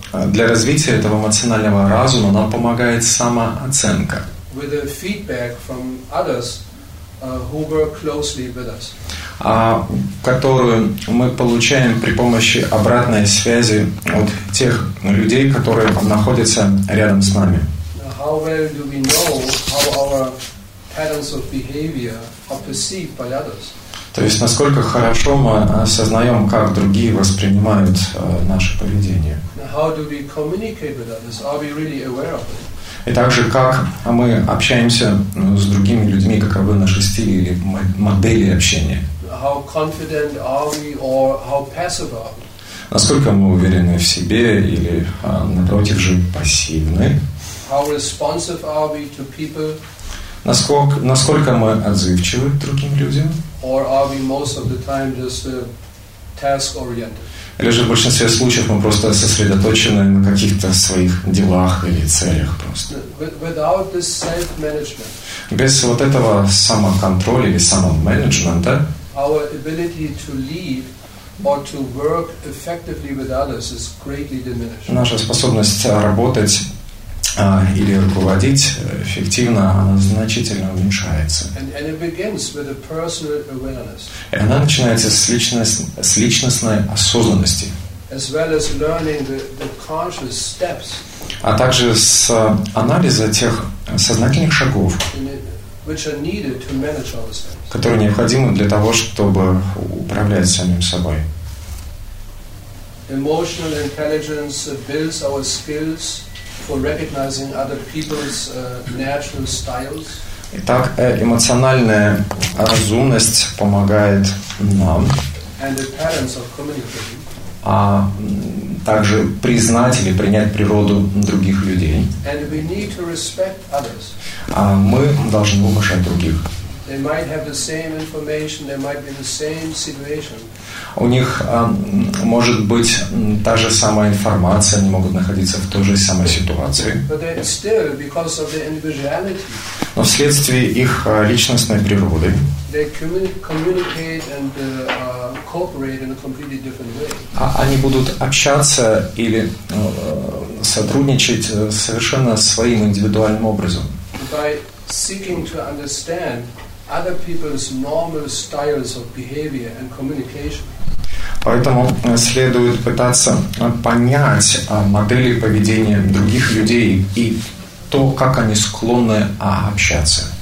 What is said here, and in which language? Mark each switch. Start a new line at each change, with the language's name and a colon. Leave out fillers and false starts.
Russian: Для развития этого эмоционального разума нам помогает самооценка.
English: With the feedback from others who work closely with us.
Russian: Которую мы получаем при помощи обратной связи от тех людей, которые находятся рядом с нами.
English: How well do we know how our patterns of behavior are perceived by others?
Russian: То есть, насколько хорошо мы осознаем, как другие воспринимают наше поведение.
English: How do we communicate with others? Are we really aware of it?
Russian: И также, как мы общаемся с другими людьми, каковы наши стили или модели общения.
English: How confident are we or how passive are we?
Russian: Насколько мы уверены в себе или, напротив же, пассивны.
English: How responsive are we to people?
Russian: Насколько мы отзывчивы к другим людям.
English: Or are we most of the time just task-oriented?
Russian: Или же в большинстве случаев мы просто сосредоточены на каких-то своих делах или целях просто.
English: Without this self-management.
Russian: Без вот этого самоконтроля или самоменеджмента.
English: Our ability to lead or to work effectively with others is greatly diminished.
Russian: Наша способность работать или руководить эффективно, она значительно уменьшается.
English: And it begins with a personal awareness.
Russian: И она начинается с личностной осознанности.
English: As well as learning the conscious steps.
Russian: А также с анализа тех сознательных шагов,
English: which are needed to manage ourselves.
Russian: Которые необходимы для того, чтобы управлять самим собой.
English: Emotional intelligence builds our skills for recognizing other people's natural styles.
Russian: Итак, эмоциональная разумность помогает нам.
English: And the patterns of communication.
Russian: А также признать или принять природу других людей.
English: And we need to respect others.
Russian: А мы должны уважать других.
English: They might have the same information, they might be the same situation.
Russian: У них может быть та же самая информация, они могут находиться в той же самой ситуации.
English: But they still, because of their individuality.
Russian: Но вследствие их личностной природы.
English: They communicate and cooperate in a completely different way.
Russian: Они будут общаться или сотрудничать совершенно своим индивидуальным образом.
English: By seeking to understand other people's normal styles of behavior and communication.
Russian: Поэтому следует пытаться понять модели поведения других людей и то, как они склонны общаться.